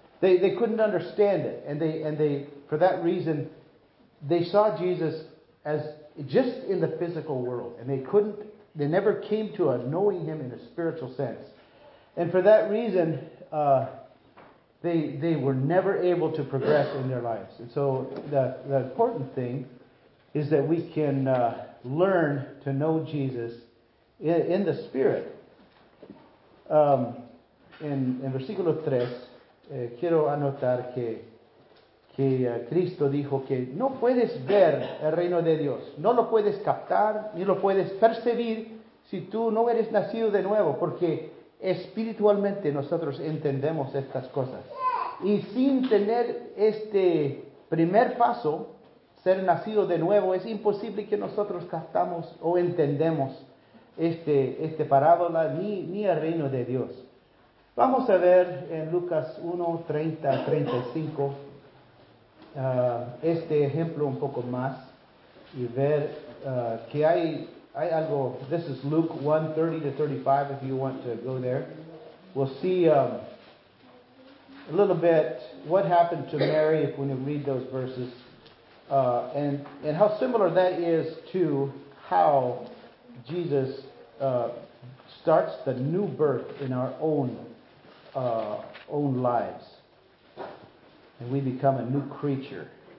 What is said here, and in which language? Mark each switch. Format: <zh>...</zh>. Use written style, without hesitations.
<en>They couldn't understand it, and they for that reason they saw Jesus as just in the physical world, and they never came to a knowing Him in a spiritual sense, and for that reason they were never able to progress in their lives. And so the important thing is that we can learn to know Jesus in the Spirit.</en> <es>In versículo 3, quiero anotar que Cristo dijo que no puedes ver el reino de Dios, no lo puedes captar ni lo puedes percibir si tú no eres nacido de nuevo, porque espiritualmente nosotros entendemos estas cosas. Y sin tener este primer paso, ser nacido de nuevo, es imposible que nosotros captamos o entendemos este parábola ni el reino de Dios. Vamos a ver en Lucas 1:30-35 este ejemplo un poco más y ver que hay algo.</es> <en>This is Luke 1:30-35. If you want to go there, we'll see a little bit what happened to Mary when you read those verses, and how similar that is to how Jesus starts the new birth in our own lives, and we become a new creature.</en>